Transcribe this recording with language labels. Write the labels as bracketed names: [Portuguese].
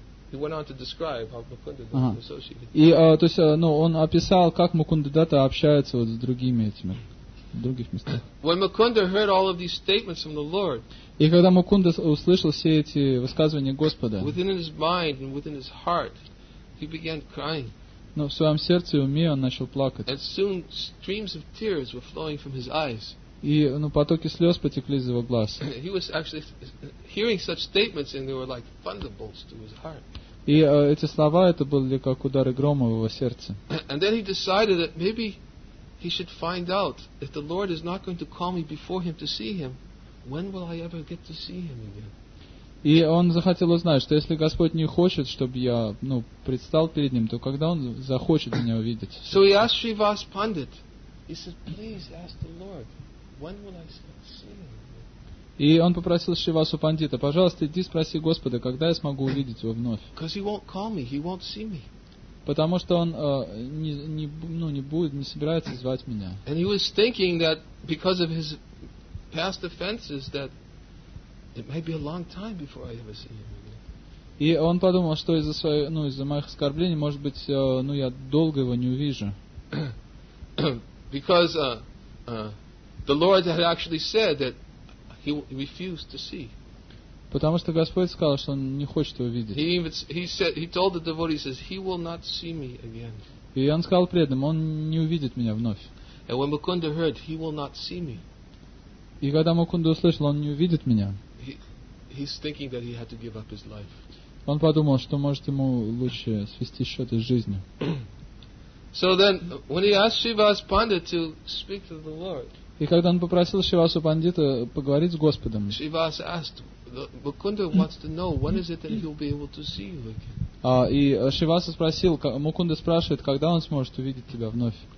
[English] He went on to describe how Mukunda Datta was associated. [Russian] И то есть, он описал, как Мукунда Датта общается с другими этими других местах. [English] When Mukunda heard all of these statements from the Lord, [Russian] и когда Мукунда услышал все эти высказывания Господа, [English] within his mind and within his heart, he began crying. [Russian] Но в своем сердце и уме он начал плакать. [English] And soon streams of tears were flowing from his eyes. [Russian] И потоки слез потекли из его глаз. [English] He was actually hearing such statements and they were like thunderbolts to his heart. [Russian] И эти слова это были как удары грома в его сердце. [English] And then he decided that maybe he should find out if the Lord is not going to call me before him to see him, when will I ever get to see him again? [Russian] И он захотел узнать, что если Господь не хочет, чтобы я, предстал перед ним, то когда он захочет меня увидеть? [English] So he asked Srivas Pandit. He said, please ask the Lord. When will I see him? [Russian] И он попросил Шивасу Пандита, пожалуйста, иди спроси Господа, когда я смогу увидеть его вновь. [English] Because he won't call me, he won't see me. [Russian] Потому что он не собирается звать меня. [English] And he was thinking that because of his past offenses that it might be a long time before I ever see him. [Russian] И он подумал, что из-за моих оскорблений, может быть, я долго его не увижу. [English] Because the Lord had actually said that he refused to see. [Russian] Потому что Господь сказал, что он не хочет его видеть. [English] He told the devotee, he says, he will not see me again. [Russian] И он сказал преданным, он не увидит меня вновь. [English] And when Mukunda heard, he will not see me. [Russian] И когда Мукунда услышал, он не увидит меня. [English] He's thinking that he had to give up his life. [Russian] Он подумал, что может ему лучше свести счеты с жизнью. [English] So then, when he asked Shiva's Pandit to speak to the Lord. [Russian] И когда он попросил Шивасу Пандита поговорить с Господом, [English] Шивас asked, Mukunda wants to know when is it that he'll be able to see you again. [Russian] И Шриваса спросил, Мукунда спрашивает, когда он сможет увидеть тебя вновь.